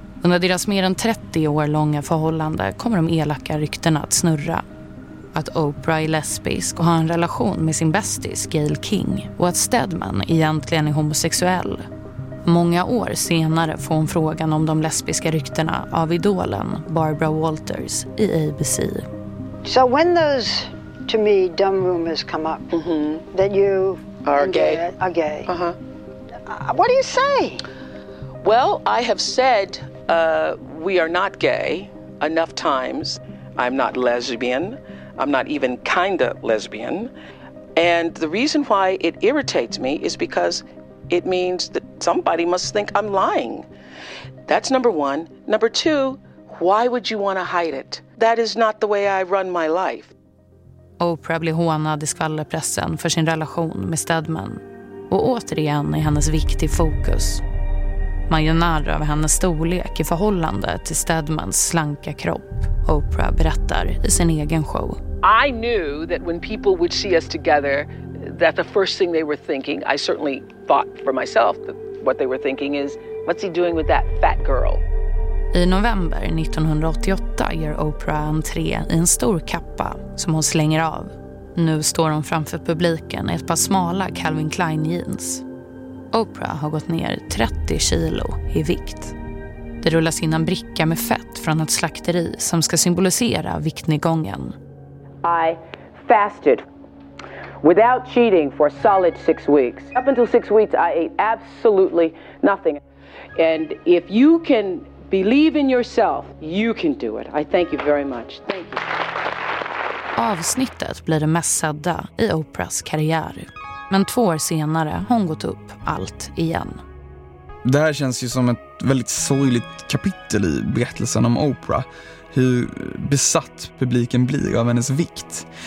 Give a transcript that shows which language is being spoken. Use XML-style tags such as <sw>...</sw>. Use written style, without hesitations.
<sv>Under deras mer än 30 år långa förhållande kommer de elaka ryktena att snurra. Att Oprah är lesbisk och har en relation med sin bästis Gail King. Och att Stedman egentligen är homosexuell. Många år senare får hon frågan om de lesbiska ryktena av idolen Barbara Walters i ABC.</sv> <en>So when those, to me, dumb rumors come up, mm-hmm. that you are gay, uh-huh. What do you say? Well, I have said we are not gay enough times. I'm not lesbian. I'm not even kinda lesbian. And the reason why it irritates me is because it means that somebody must think I'm lying. That's number one. Number two, why would you want to hide it? That is not the way I run my life.</en> <sv>Oprah blir hånad i skvallerpressen för sin relation med Stedman. Och återigen är hennes viktig fokus. Man gör narr av hennes storlek i förhållande till Stedmans slanka kropp, Oprah berättar i sin egen show.</sv> <en>I knew that when people would see us together, that the first thing they were thinking, I certainly thought for myself that what they were thinking is, what's he doing with that fat girl?</en> <sv>I november 1988 gör Oprah entré i en stor kappa som hon slänger av. Nu står hon framför publiken i ett par smala Calvin Klein jeans. Oprah har gått ner 30 kilo i vikt. Det rullas in en bricka med fett från ett slakteri som ska symbolisera viktnedgången.</sv> <en>I fasted without cheating for a solid 6 weeks. Up until 6 weeks I ate absolutely nothing. And if you can believe in yourself. You can do it. I thank you very much. Thank you.</en> <sv>Avsnittet blir det mest sedda i Oprahs karriär. Men 2 år senare har hon gått upp allt igen. Det här känns ju som ett väldigt sorgligt kapitel i berättelsen om Oprah. Hur besatt publiken blir av hennes vikt.</sv>